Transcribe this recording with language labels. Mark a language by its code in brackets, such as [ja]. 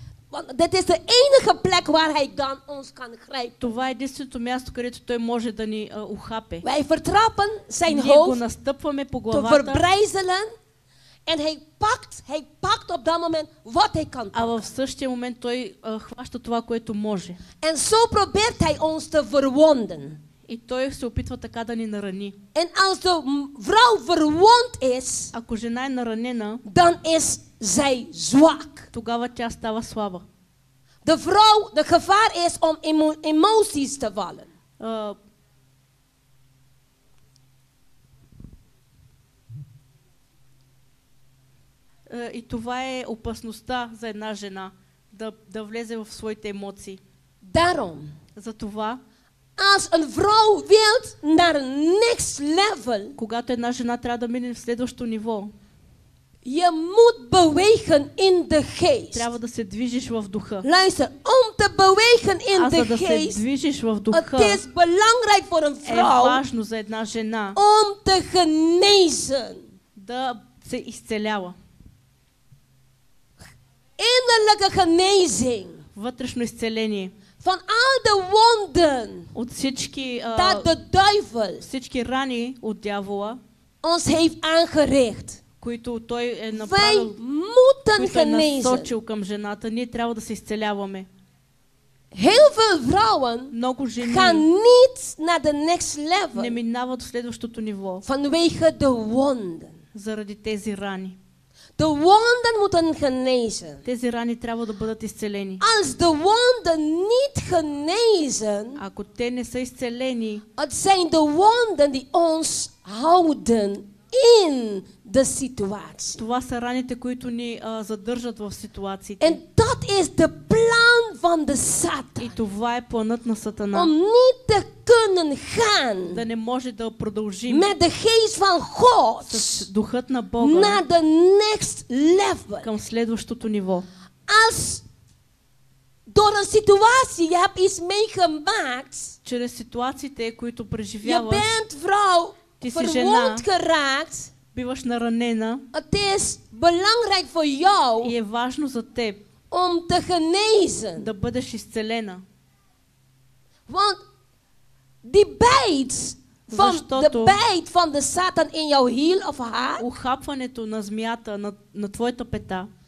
[nl] Want dit is de enige plek waar hij dan ons kan grijpen. [bg] Това е единственото място, където той може да ни ухапе. [nl] Wij vertrappen zijn [bg] ние [nl] hoofd. [bg] Ние го настъпваме по главата. [nl] Te verbrijzelen. En hij pakt op dat moment wat hij kan pakken. [bg] А в същия момент той хваща това, което може. [nl] En zo probeert hij ons te verwonden. [bg] И той се опитва така да ни нарани. [nl] En als de vrouw verwond is, [bg] ако жена е наранена, [nl] dan is zij zwak. [bg] Тогава тя става слаба. [nl] De vrouw, de gevaar is om emoties te vallen. [bg] И това е опасността за една жена да влезе в своите емоции. [nl] Daarom. [bg] Затова. [nl] Als een vrouw wil naar next level. [bg] Когато една жена трябва да мине в следващото ниво. [nl] Je moet bewegen in de geest. [bg] Трябва да се движиш в духа. [nl] Luister, om te bewegen in de geest. [bg] А за да се движиш в духа. [nl] Het is belangrijk voor een vrouw. [bg] Е важно за една жена. [nl] Om te genezen. [bg] Да се изцелява. [nl] Innerlijke genezing. [bg] Вътрешно изцеление. [nl] Van al de wonden. [bg] От всички [nl] dat de duivel. [bg] Всички рани от дявола. [nl] Ons heeft aangericht. [bg] Които той е направил. Които е насочил към жената. Ние трябва да се изцеляваме. [nl] Heel veel vrouwen [bg] много жени [nl] gaan niet naar [en] the next level. [bg] Не минават в следващото ниво. [nl] Vanwege de wonden. [bg] Заради тези рани. [nl] De wonden moeten genezen. [bg] Тези рани трябва да бъдат изцелени. [nl] Als de wonden niet genezen, [bg] ако те не са изцелени, [nl] het zijn de wonden die ons houden in de situatie. [bg] Това са раните, които ни задържат в ситуациите. [en] And that is the plan [nl] van de Satan. [bg] И това е планът на Сатана. [nl] Om niet te kunnen gaan. [bg] Да не може да продължим. [nl] Met de geest van God. [bg] С духът на Бога. [nl] Naar [en] the next level. [bg] Към следващото ниво. [nl] Als Door een situatie je hebt iets meegemaakt. [bg] Чрез ситуациите, които преживяваш. [nl] Je bent vrouw. [bg] Ти си жена. [nl] Verwond geraakt. [bg] Биваш наранена. [nl] Het is belangrijk voor jou. [bg] И е важно за теб. [nl] Om te genezen. [bg] Да бъдеш изцелена. [nl] Want die bite van de bite van de Satan in jouw heel of haar. [bg] Ухапването на змията на твоята пета.